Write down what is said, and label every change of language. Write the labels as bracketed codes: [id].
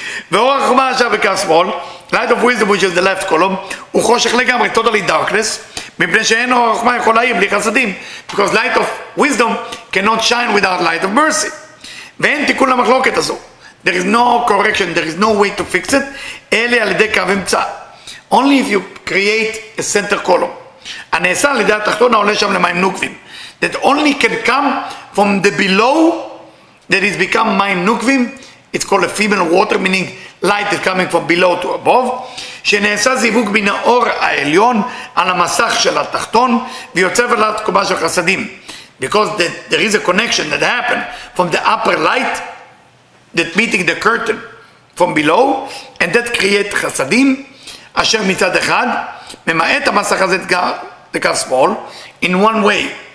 [he] ואור החוכמה עכשיו בקו שמאל, [en] light of wisdom, which is the left column, [he] הוא חושך לגמרי, [en] totally darkness, [he] מפני שאין אור החוכמה יכול להעיר בלי חסדים. [en] Because light of wisdom cannot shine without light of mercy. [he] ואין תיקון למחלוקת הזו. [en] There is no correction, there is no way to fix it. [he] אלה על ידי קו אמצע. [en] Only if you create a center column. [he] הנעשה על ידי התחתונה עולה שם למים נוקבים. [en] That only can come from the below that has become מים נוקבים. It's called a female water, meaning light is coming from below to above. [he] שנעשה זיווג מן האור העליון על המסך של התחתון ויוצב על התקומה של חסדים. [en] Because there is a connection that happened from the upper light that meeting the curtain from below and that create חסדים [he] אשר מצד אחד ממעט המסך הזה לקו שמאל [en] in one way